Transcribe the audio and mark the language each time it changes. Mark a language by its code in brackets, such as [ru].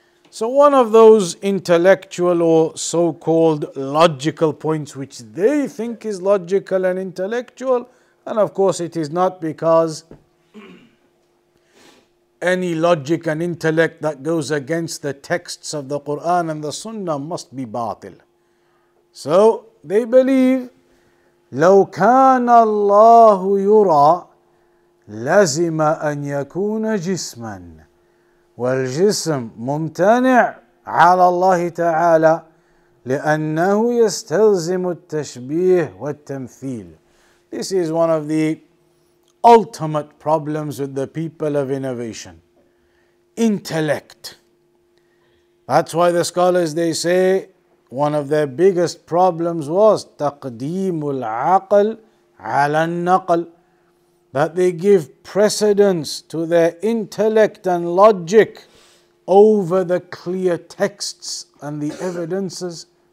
[en] So one of those intellectual or so-called logical points which they think is logical and intellectual, and of course it is not, because any logic and intellect that goes against the texts of the Quran and the Sunnah must be batil. So they believe, [ar] لو كان الله يرى لازم أن يكون جسما والجسم ممتنع على الله تعالى لأنه يستلزم التشبيه والتمثيل. [en] This is one of the ultimate problems with the people of innovation. Intellect. That's why the scholars, they say, one of their biggest problems was [ar] تقديم العقل على النقل, [en] that they give precedence to their intellect and logic over the clear texts and the evidences.